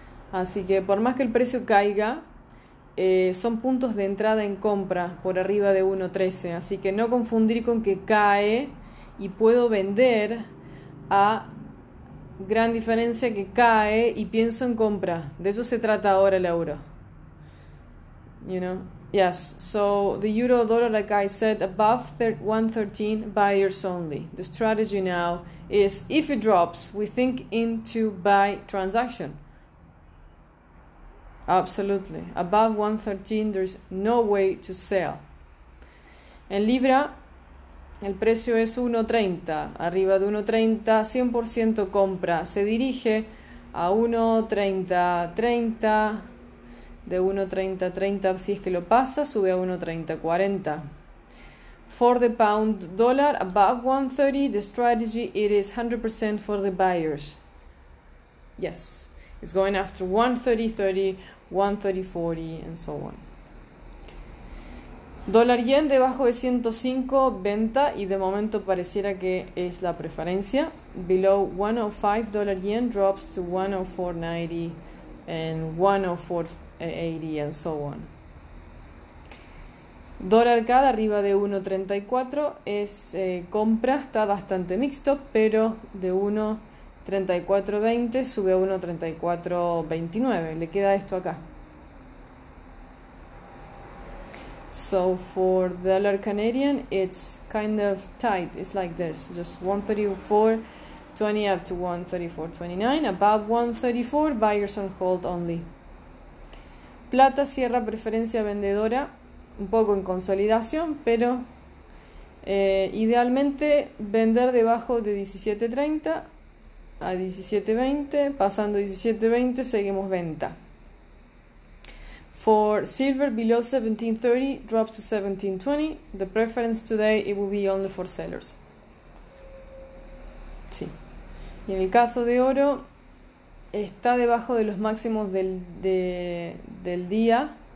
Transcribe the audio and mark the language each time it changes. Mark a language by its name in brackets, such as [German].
[Spanish] Así que por más que el precio caiga, son puntos de entrada en compra por arriba de 1.13. Así que no confundir con que cae y puedo vender a gran diferencia que cae y pienso en compra. De eso se trata ahora el euro. [English] You know? Yes. So the euro dollar, like I said, above 1.13, buyers only. The strategy now is if it drops, we think into buy transaction. Absolutely. Above 1.13, there's no way to sell. [Spanish] En libra, el precio es 1.30. Arriba de 1.30, 100% compra. Se dirige a 1.30, 30. De 1.30, 30. Si es que lo pasa, sube a 1.30, 40. [English] For the pound dollar, above 1.30, the strategy it is 100% for the buyers. Yes. It's going after 1.30, 30. 130, 40, and so on. [Spanish] Dólar yen debajo de 105, venta, y de momento pareciera que es la preferencia. [English] Below 105, dólar yen drops to 104.90 and 104.80, and so on. [Spanish] Dólar CAD arriba de 1.34 es compra, está bastante mixto, pero de 1.3420 sube a 1.3429. Le queda esto acá. [English] So for the dollar Canadian, it's kind of tight. It's like this, just 134.20 up to 134.29. Above 134, buyers on hold only. [Spanish] Plata cierra preferencia vendedora, un poco en consolidación, pero idealmente vender debajo de 17.30 a 17.20. Pasando 17.20, seguimos venta. [English] For silver below 1730 drops to 1720. The preference today it will be only for sellers. [Spanish] Sí. Y en el caso de oro, está debajo de los máximos del día.